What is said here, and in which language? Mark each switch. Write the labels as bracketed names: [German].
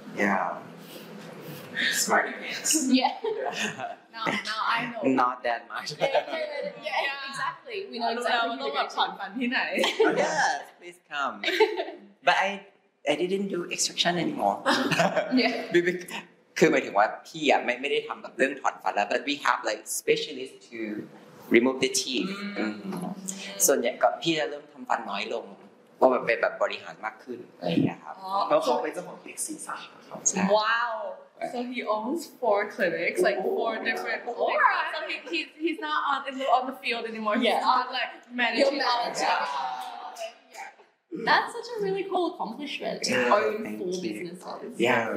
[English] Yeah smart pants yeah now I know not that much yeah. Exactly we know exactly what to do where yes please come but I didn't do extraction anymore yeah because my thing was he [Thai] ไม่ ได้ ทํา แบบ เรื่อง ถอน ฟัน แล้ว [English] but we have like specialist to remove the teeth [Thai] ส่วนใหญ่ก็พี่จะเริ่มทําฟันน้อยลงก็แบบเป็นแบบบริหารมากขึ้นอะไรอย่างเงี้ยครับ เพราะเขาเป็นเจ้าของคลินิกสีสันครั [English] บว้าวSo he owns four clinics, like four different clinics. So he's not on the field anymore. Yeah. He's on like managing all the time. That's such a really cool accomplishment. Yeah, own four you. Businesses. Yeah, thank